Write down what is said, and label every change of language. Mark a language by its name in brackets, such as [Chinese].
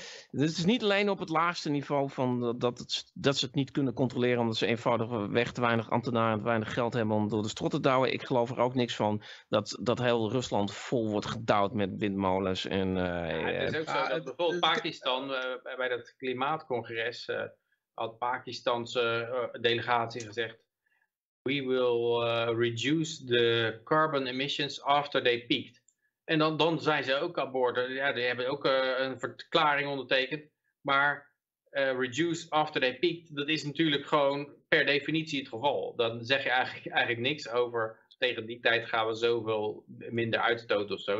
[Dutch] Dus het is niet alleen op het laagste niveau van dat ze het niet kunnen controleren omdat ze eenvoudig weg te weinig ambtenaren en te weinig geld hebben om door de strot te douwen. Ik geloof er ook niks van dat heel Rusland vol wordt gedouwd met windmolens. En, Het is ook zo dat bijvoorbeeld Pakistan bij dat klimaatcongres had Pakistanse delegatie gezegd. [English] We will reduce the carbon emissions after they peaked. [Dutch] En dan zijn ze ook aan boord. Ja, die hebben ook een verklaring ondertekend. Maar [English] reduce after they peaked, [Dutch] dat is natuurlijk gewoon per definitie het geval. Dan zeg je eigenlijk niks over tegen die tijd gaan we zoveel minder uitstoten of zo.